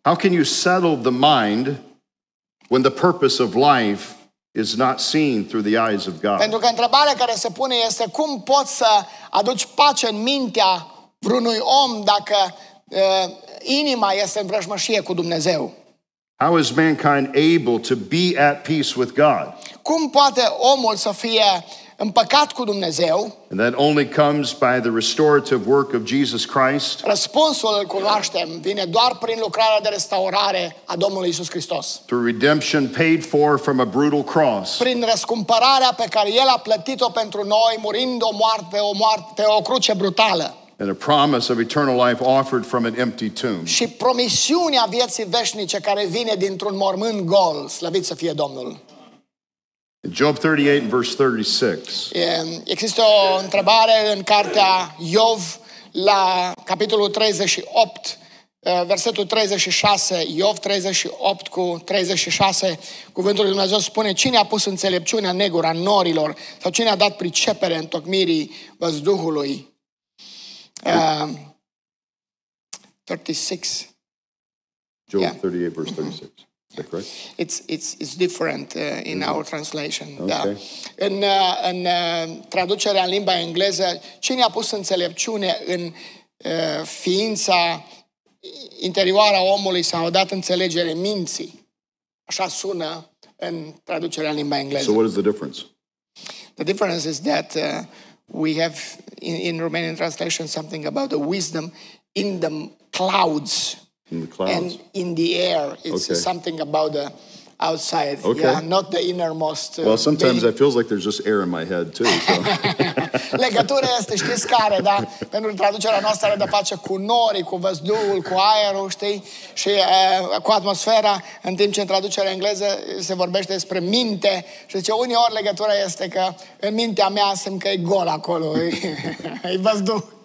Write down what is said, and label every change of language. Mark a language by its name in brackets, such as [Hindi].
[English] How can you settle the mind when the purpose of life is not seen through the eyes of God? [Romanian] Pentru că întrebarea care se pune este cum poți să aduci pace în mintea vreunui om dacă inima este în vrăjmășie cu Dumnezeu. [English] How is mankind able to be at peace with God? [Romanian] Cum poate omul să fie împăcat cu Dumnezeu? [English] And that only comes by the restorative work of Jesus Christ. [Romanian] Răspunsul îl cunoaștem, vine doar prin lucrarea de restaurare a Domnului Iisus Hristos. [English] Through redemption paid for from a brutal cross. [Romanian] Prin răscumpărarea pe care El a plătit-o pentru noi, murind o moarte, pe o cruce brutală. [English] And a promise of eternal life offered from an empty tomb. [Romanian] Și promisiunea vieții veșnice care vine dintr-un mormânt gol, slăvit să fie Domnul. [English] In Job 38 and verse 36. [Romanian] Există o întrebare în cartea Iov la capitolul 38, versetul 36, Iov 38 cu 36. Cuvântul lui Dumnezeu spune: cine a pus înțelepciunea în negura norilor? Sau cine a dat pricepere în tocmirii văzduhului? 36. [English] Job, yeah. 38 verse 36. Correct? It's different in our translation. Okay. [Romanian] Da. În traducerea în limba engleză, cine a pus înțelepciune în ființa interioară a omului sau a dat înțelegere minții? Așa sună în traducerea în limba engleză. [English] So what is the difference? The difference is that we have in Romanian translation something about the wisdom in the clouds. In the clouds. And in the air, it's okay. Something about the outside, okay. Yeah, not the innermost. Well, sometimes it feels like there's just air in my head too. So. [Romanian] Legătura este, știți care, da? Pentru traducerea noastră are de face cu norii, cu văzduhul, cu aerul, știi? Și cu atmosfera, în timp ce în traducerea engleză se vorbește despre minte. Și zice, uneori legătura este că în mintea mea simt că e gol acolo, e văzduh.